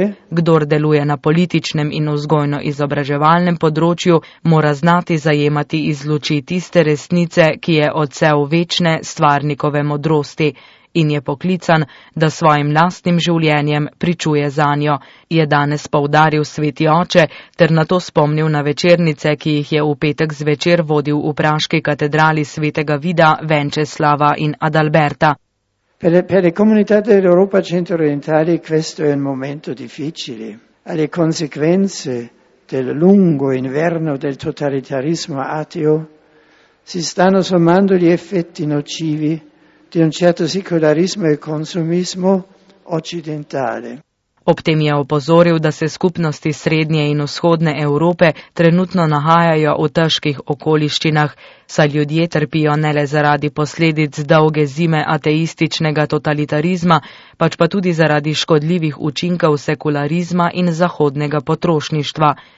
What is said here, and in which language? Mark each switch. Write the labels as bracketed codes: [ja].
[sl] Kdor deluje na političnem in vzgojno-izobraževalnem področju, mora znati zajemati iz luči tiste resnice, ki je odsev večne stvarnikove modrosti in je poklican, da svojim lastnim življenjem pričuje zanjo, je danes poudaril sveti oče ter na to spomnil na večernice, ki jih je v petek zvečer vodil v praški katedrali svetega Vida, Venceslava in Adalberta. [it] Per le comunità dell'Europa centro-orientale questo è un momento difficile. Ha le conseguenze del lungo inverno del totalitarismo ateo, si stanno sommando gli effetti nocivi di un certo secolarismo e consumismo occidentale. [sl] Ob tem je opozoril, da se skupnosti srednje in vzhodne Evrope trenutno nahajajo v težkih okoliščinah, saj ljudje trpijo ne le zaradi posledic dolge zime ateističnega totalitarizma, pač pa tudi zaradi škodljivih učinkov sekularizma in zahodnega potrošništva.